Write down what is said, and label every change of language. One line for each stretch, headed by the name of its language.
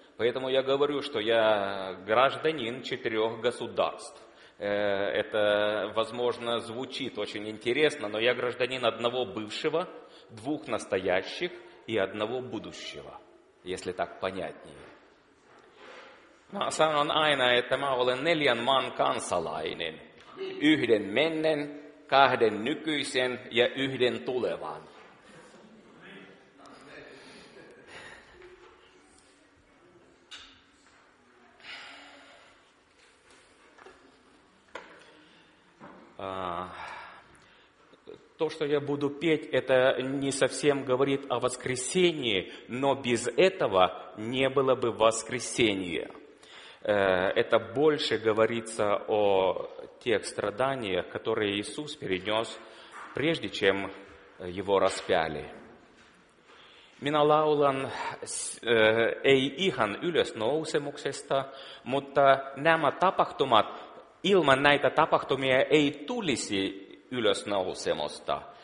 Russian: Поэтому я говорю, что я гражданин 4 государств. Это, возможно, звучит очень интересно, но я гражданин 1 бывшего, 2 настоящих и 1 будущего, если так понятнее.
Finnish: Mä sanon aina, että mä olen 4 maan kansalainen. 1 mennen, 2 nykyisen ja 1 tulevan.
Russian: То, что я буду петь, это не совсем говорит о воскресении, но без этого не было бы воскресения. Это больше говорится о тех страданиях, которые Иисус перенес, прежде чем его распяли.
Finnish: Minä laulan ei ihan ylösnousemuksesta, mutta nämä tapahtumat, ilman näitä tapahtumia ei tulisi ylösnousemusta.